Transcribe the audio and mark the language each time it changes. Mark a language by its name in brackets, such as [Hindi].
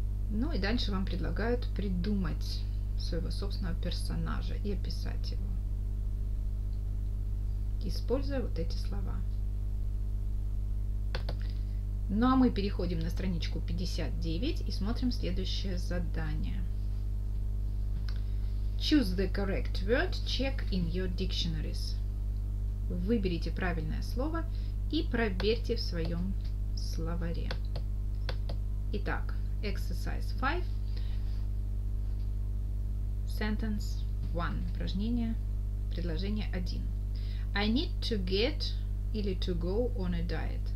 [Russian] Ну и дальше вам предлагают придумать своего собственного персонажа и описать его, используя вот эти слова. Ну а мы переходим на страничку 59 и смотрим следующее задание. [English] Choose the correct word, check in your dictionaries. [Russian] Выберите правильное слово и проверьте в своем словаре. [English] Итак. Exercise 5. Sentence 1. [Russian] Упражнение. Предложение 1. [English] I need to get или to go on a diet.